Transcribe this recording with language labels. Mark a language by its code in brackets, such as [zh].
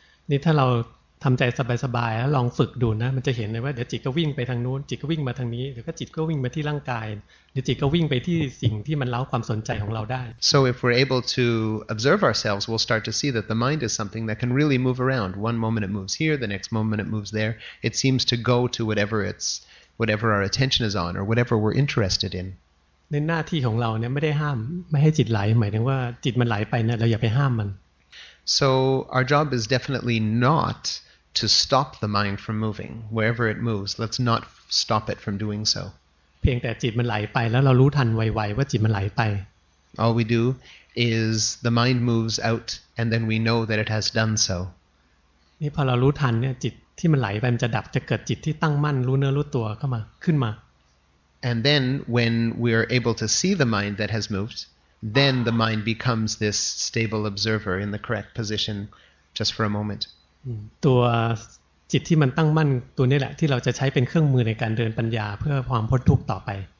[th] นี่ถ้าเราทำใจสบายๆแล้วลองฝึกดูนะมันจะเห็นเลยว่าเดี๋ยวจิตก็วิ่งไปทางนู้นจิตก็วิ่งมาทางนี้เดี๋ยวก็จิตก็วิ่งมาที่ร่างกายเดี๋ยวจิตก็วิ่งไปที่สิ่งที่มันเล้าความสนใจของเราได้ [en] So if we're able to observe ourselves we'll start to see that the mind is something that can really move around one moment it moves here the next moment it moves there it seems to go to whatever our attention is on or whatever we're interested in [th] ในหน้าที่ของเราเนี่ยไม่ได้ห้ามไม่ให้จิตไหลหมายถึงว่าจิตมันไหลไปเนี่ยเราอย่าไปห้ามมัน [en] So our job is definitely notto stop the mind from moving wherever it moves let's not stop it from doing so [th] เพียงแต่จิตมันไหลไปแล้วเรารู้ทันไวๆว่าจิตมันไหลไป [en] all we do is the mind moves out and then we know that it has done so [th] นี่พอเรารู้ทันเนี่ยจิตที่มันไหลไปมันจะดับจะเกิดจิตที่ตั้งมั่นรู้เนื้อรู้ตัวเข้ามาขึ้นมา [en] and then when we are able to see the mind that has moved then the mind becomes this stable observer in the correct position just for a moment [th] ตัวจิตที่มันตั้งมั่นตัวนี้แหละที่เราจะใช้เป็นเครื่องมือในการเดินปัญญาเพื่อความพ้นทุกข์ต่อไป